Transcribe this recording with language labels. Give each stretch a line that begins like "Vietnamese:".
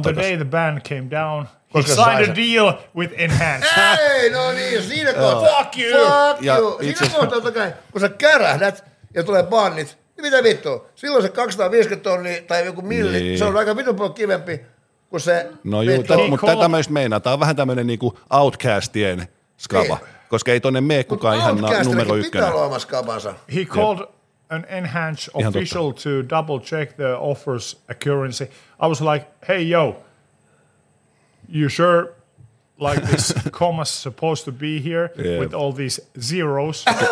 Finnish: takaisin.
English: On the day the ban came down, he signed a deal with Enhanced.
Finnish: Ei, no niin, siinä kohtaa.
English: Fuck you. Fuck you.
Finnish: Itse... Siinä kohtaa, että kun sä kärähdät ja tulee bannit, niin mitä vittua? Silloin se 250 tonni tai joku milli, niin. Se on aika vitun paljon kivempi kuin se. No juu, mutta tätä mä just meinaan. Tämä on vähän tämmöinen niinku outcastien skaba. Niin. Koska ei tonne mene kukaan ihan numero ykkönen. Pitää olla oma skabansa.
English: He called... Yep. An enhanced official to double check the offer's accuracy. I was like, hey, yo, you sure like this comma's supposed to be here with all these zeros?